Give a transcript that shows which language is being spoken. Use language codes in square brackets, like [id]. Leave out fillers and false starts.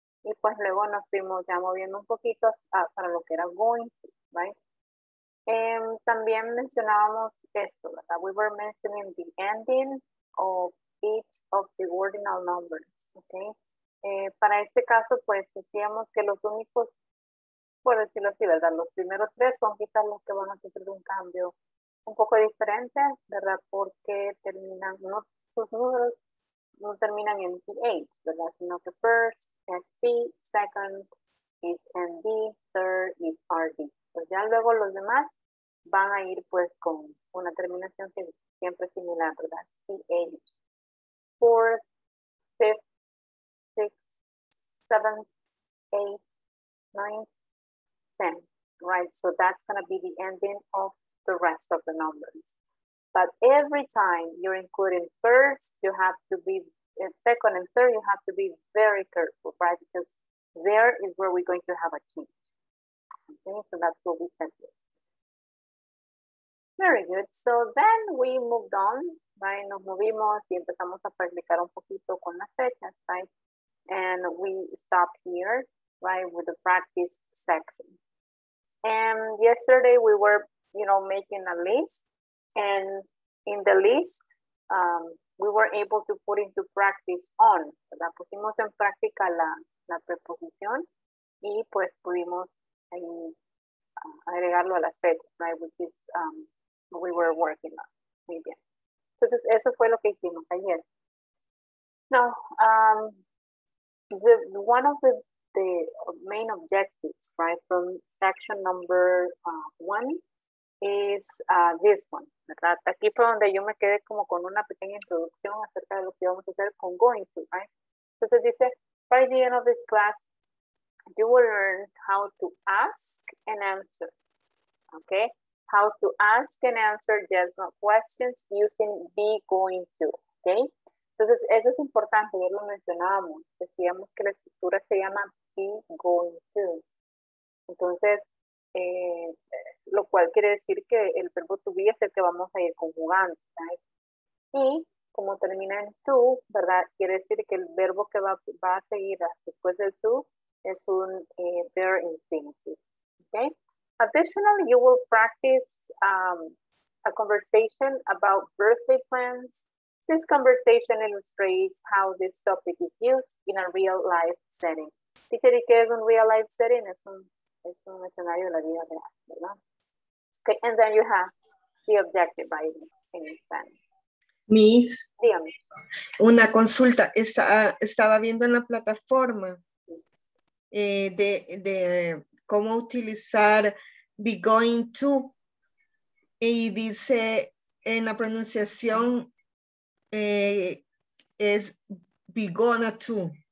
[es] Y pues luego nos fuimos ya moviendo un poquito para lo que era going to, right? También mencionábamos esto, ¿verdad? [en] We were mentioning the ending of each of the ordinal numbers, okay? [es] Para este caso, pues decíamos que los únicos, por decirlo así, ¿verdad? Los primeros tres son quizás los que van a sufrir un cambio un poco diferente, ¿verdad? Porque terminan, ¿no? Sus números no terminan en th, ¿verdad? Sino que [en] first is t, second is nd, third is rd. [es] Pues ya luego los demás van a ir pues con una terminación que siempre similar, ¿verdad? [en] Th, fourth, fifth, sixth, seventh, eighth, ninth, tenth, right? So that's going to be the ending of the rest of the numbers. But every time you're including first, you have to be, second and third, you have to be very careful, right? Because there is where we're going to have a change. Okay, so that's what we said. Very good. So then we moved on right? [es] Nos movimos y empezamos a practicar un poquito con las fechas, right? [en] And we stop here, right, with the practice section. And yesterday we were, you know, making a list, and in the list, we were able to put into practice on. [es] La pusimos en práctica la preposición y pues pudimos ahí agregarlo a las fechas, right, [en] which is we were working on. [es] Muy bien. Entonces, eso fue lo que hicimos ayer. [en] Now, one of the main objectives, right, from section number one is this one, ¿verdad? [es] Aquí fue donde yo me quedé como con una pequeña introducción acerca de lo que vamos a hacer con going to, right? Entonces dice, [en] by the end of this class, you will learn how to ask and answer, okay? How to ask and answer yes no questions using be going to, okay? [es] Entonces, eso es importante, ya lo mencionábamos. Decíamos que la estructura se llama be going to. Entonces, lo cual quiere decir que el verbo to be es el que vamos a ir conjugando, ¿verdad? Y como termina en to, ¿verdad? Quiere decir que el verbo que va a seguir después del to es un verb infinitive, okay? [en] Additionally, you will practice a conversation about birthday plans. This conversation illustrates how this topic is used in a real life setting. [es] Teacher, ¿qué es un real life setting? Es un escenario de la vida real, ¿verdad? [en] Okay, and then you have the objective by in Spanish. Miss, [es] dígame. Una consulta. Estaba viendo en la plataforma de cómo utilizar be going to, y dice en la pronunciación es be gonna to.